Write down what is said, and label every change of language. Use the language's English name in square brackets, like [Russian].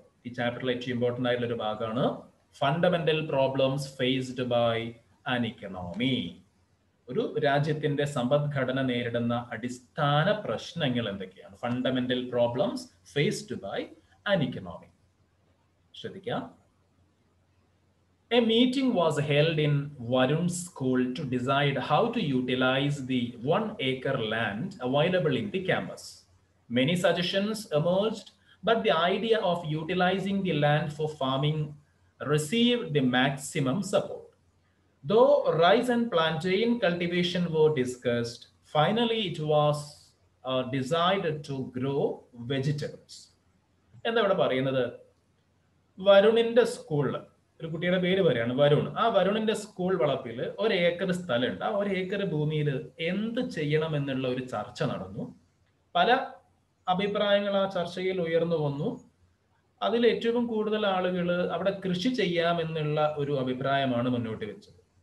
[Malayalam] ഈ ചാപ്റ്ററിൽ ഏറ്റവും ഇമ്പോർട്ടൻ്റ് ആയിട്ടുള്ള ഒരു ഭാഗമാണ് [English] Fundamental problems faced by an economy. [Malayalam] ഒരു രാജ്യത്തിന്റെ സമ്പദ്ഘടന നേരിടുന്ന അടിസ്ഥാന പ്രശ്നങ്ങൾ എന്തൊക്കെയാണ്, [English] Fundamental problems faced by an economy. [Malayalam] ശ്രദ്ധിക്കാം. [English] A meeting was held in Varun's school to decide how to utilize the 1 acre land available in the campus. Many suggestions emerged, but the idea of utilizing the land for farming received the maximum support. Though rice and plantain cultivation were discussed, finally it was decided to grow vegetables. [Malayalam] എന്താ ഇവിടെ പറയുന്നത്, വരുണിന്റെ സ്കൂളിൽ ഒരു കുട്ടിയുടെ പേര് പറയാണ് വരുൺ, ആ വരുണിന്റെ school വളപ്പിൽ 1 ഏക്കർ സ്ഥലമുണ്ട്, ആ 1 ഏക്കർ ഭൂമിയിൽ എന്ത് ചെയ്യണം എന്നുള്ള ഒരു ചർച്ച നടന്നു. പല അഭിപ്രായങ്ങൾ ആ ചർച്ചയിൽ ഉയർന്നു വന്നു. അതിൽ ഏറ്റവും കൂടുതൽ ആളുകൾ അവിടെ കൃഷി ചെയ്യാമെന്നുള്ള ഒരു അഭിപ്രായമാണ് മുന്നോട്ട് വെച്ചത്.